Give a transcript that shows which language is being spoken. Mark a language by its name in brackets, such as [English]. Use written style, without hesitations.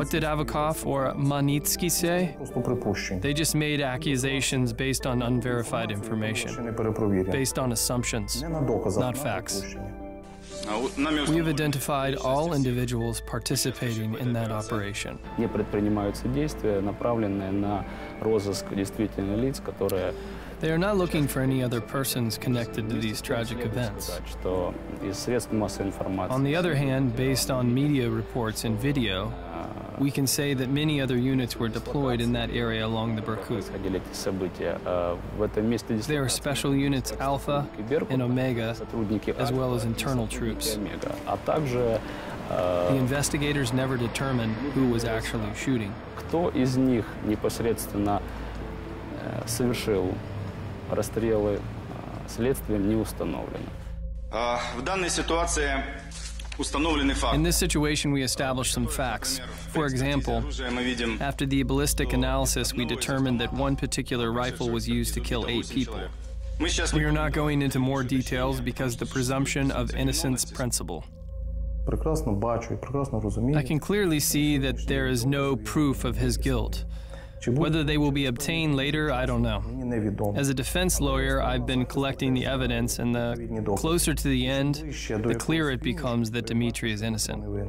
[English] What did Avakov or Magnitsky say? They just made accusations based on unverified information, based on assumptions, not facts. We have identified all individuals participating in that operation. [Russian] Не предпринимаются действия, направленные на розыск действительных лиц, которые [English] They are not looking for any other persons connected to these tragic events. On the other hand, based on media reports and video, we can say that many other units were deployed in that area along the Berkut. There are special units Alpha and Omega, as well as internal troops. The investigators never determined who was actually shooting. [Russian] Кто из них непосредственно совершил Расстрелы следствием не установлено. В данной ситуации установлены факты. [English] In this situation we established some facts. For example, after the ballistic analysis, we determined that one particular rifle was used to kill eight people. We are not going into more details because the presumption of innocence principle. [Ukrainian] Прекрасно бачу і прекрасно розумію. [English] I can clearly see that there is no proof of his guilt. Whether they will be obtained later, I don't know. As a defense lawyer, I've been collecting the evidence, and the closer to the end, the clearer it becomes that Dmitry is innocent.